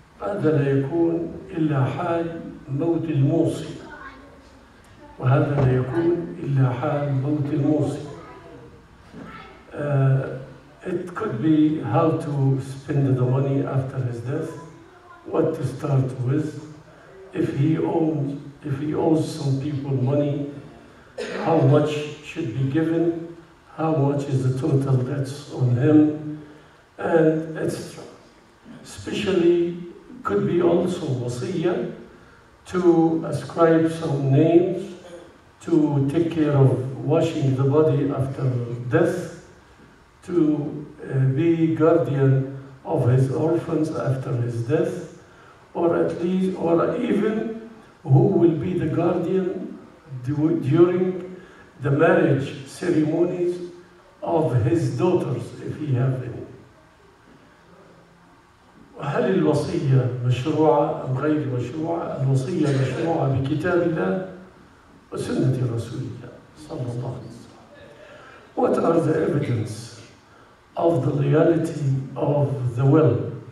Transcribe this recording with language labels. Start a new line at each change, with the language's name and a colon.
Arabic: هذا لا يكون إلا حال موت الموصي، وهذا لا يكون إلا حال موت الموصي.
English: It could be how to spend the money after his death, what to start with, if he owes some people money, how much should be given, how much is the total debts on him, and etc. Especially could be also wasiyah to ascribe some names, to take care of washing the body after death, to be guardian of his orphans after his death, or even who will be the guardian during the marriage ceremonies of his daughters, if he have any.
Arabic: هل الوصية مشروعة أم غير مشروعة؟ الوصية مشروعة بكتاب الله وسنة رسول الله صلى الله عليه وسلم.
English: What are the evidence of the reality of the will?